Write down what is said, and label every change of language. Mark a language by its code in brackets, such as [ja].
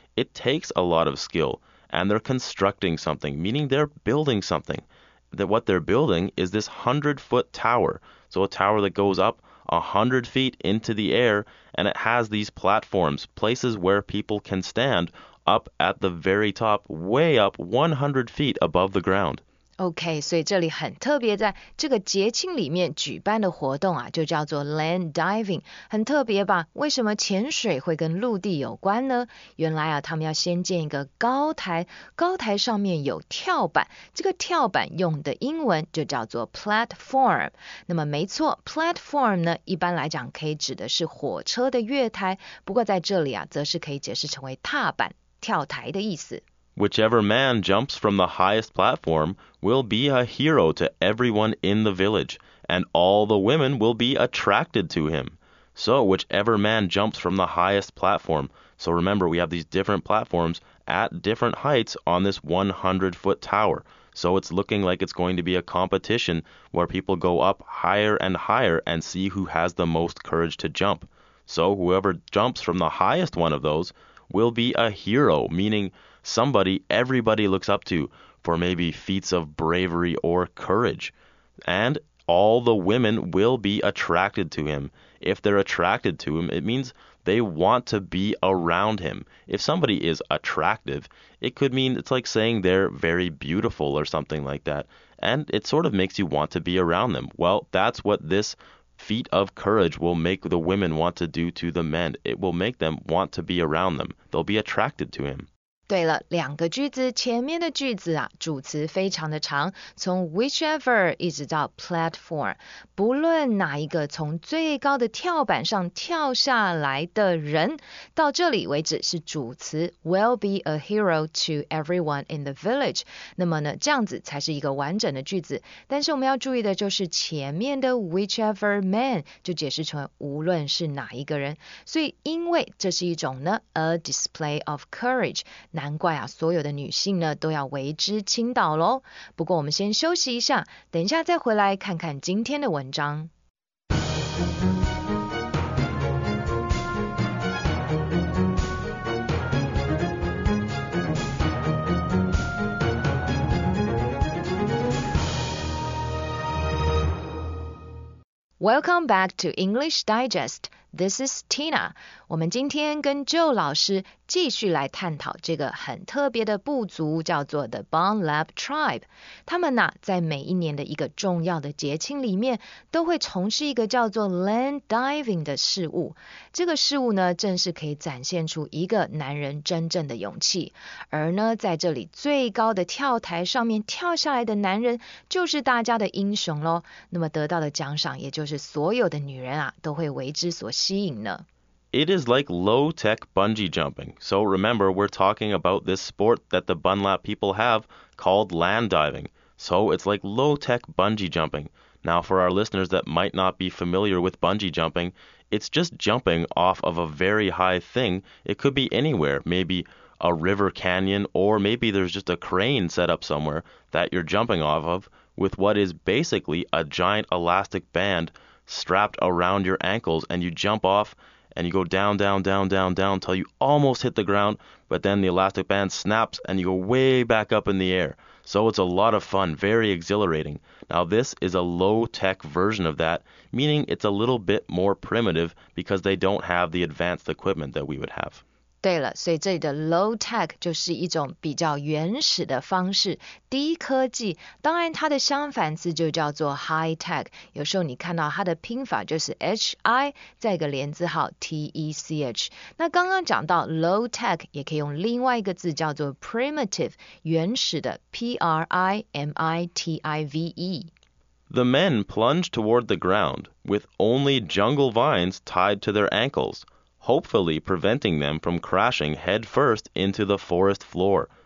[en] It takes a lot of skill. And they're constructing something, meaning they're building something. That what they're building is this 100-foot tower. So a tower that goes up 100 feet into the air, and it has these platforms, places where people can stand up at the very top, way up 100 feet above the ground. [zh] OK, 所以这里很特别，在这个节庆里面举办的活动啊，就叫做 land diving, 很特别吧？为什么潜水会跟陆地有关呢？原来啊，他们要先建一个高台，高台上面有跳板，这个跳板用的英文就叫做 platform。那么没错 ，platform 呢，一般来讲可以指的是火车的月台，不过在这里啊，则是可以解释成为踏板、跳台的意思。 [en] Whichever man jumps from the highest platform will be a hero to everyone in the village, and all the women will be attracted to him. So whichever man jumps from the highest platform, so remember we have these different platforms at different heights on this 100-foot tower, so it's looking like it's going to be a competition where people go up higher and higher and see who has the most courage to jump. So whoever jumps from the highest one of those will be a hero, meaning... Somebody everybody looks up to for maybe feats of bravery or courage. And all the women will be attracted to him. If they're attracted to him, it means they want to be around him. If somebody is attractive, it could mean it's like saying they're very beautiful or something like that. And it sort of makes you want to be around them. Well, that's what this feat of courage will make the women want to do to the men. It will make them want to be around them. They'll be attracted to him. [zh] 对了，两个句子前面的句子啊，主词非常的长，从 whichever 一直到 platform， 不论哪一个从最高的跳板上跳下来的人，到这里为止是主词 [en] will be a hero to everyone in the village。 [zh] 那么呢，这样子才是一个完整的句子。但是我们要注意的就是前面的 whichever man 就解释成无论是哪一个人，所以因为这是一种呢 [en] a display of courage。 [zh] 难怪啊，所有的女性呢都要为之倾倒咯。不过我们先休息一下，等一下再回来看看今天的文章。 [en] Welcome back to English Digest. This is Tina. [zh] 我们今天跟 Joe 老师继续来探讨这个很特别的部族，叫做 The Bon Lap Tribe。他们呢，在每一年的一个重要的节庆里面，都会从事一个叫做 land diving 的事物。这个事物呢，正是可以展现出一个男人真正的勇气。而呢，在这里最高的跳台上面跳下来的男人，就是大家的英雄咯。那么得到的奖赏，也就是所有的女人啊，都会为之所吸引呢。 [en] It is like low-tech bungee jumping. So remember, we're talking about this sport that the Bunlap people have called land diving. So it's like low-tech bungee jumping. Now, for our listeners that might not be familiar with bungee jumping, it's just jumping off of a very high thing. It could be anywhere, maybe a river canyon, or maybe there's just a crane set up somewhere that you're jumping off of with what is basically a giant elastic band strapped around your ankles, and you jump off, and you go down, down, down, down, down, till you almost hit the ground, but then the elastic band snaps, and you go way back up in the air. So it's a lot of fun, very exhilarating. Now, this is a low-tech version of that, meaning it's a little bit more primitive because they don't have the advanced equipment that we would have. [zh] 对了，所以这里的 low tech 就是一种比较原始的方式，低科技。当然，它的相反词就叫做 high tech。有时候你看到它的拼法就是 h i 再一个连字号 t e c h。那刚刚讲到 low tech， 也可以用另外一个字叫做 primitive， 原始的 p r i m i t i v e。 [en] The men plunge toward the ground with only jungle vines tied to their ankles. Hopefully preventing them from crashing head first into the forest floor.